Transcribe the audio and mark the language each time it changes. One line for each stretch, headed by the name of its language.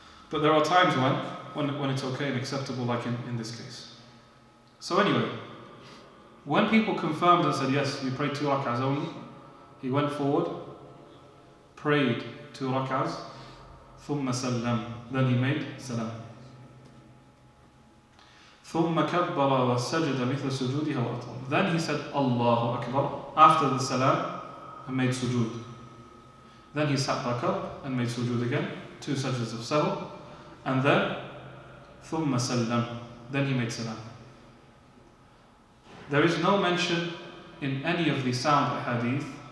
English: But there are times when it's okay and acceptable, like in this case. So anyway, when people confirmed and said, yes, you prayed 2 rak'ahs only, he went forward, prayed 2 rak'ahs,
Arabic: ثم سلم.
English: Then he made salam.
Arabic: ثم كبر وسجد مثل سجوده وأطول.
English: Then he said Allahu Akbar after the salam and made sujood. Then he sat back up and made sujood again, 2 sajdas of sahw, and then
Arabic: ثم سلم.
English: Then he made salam. There is no mention in any of the sound hadith.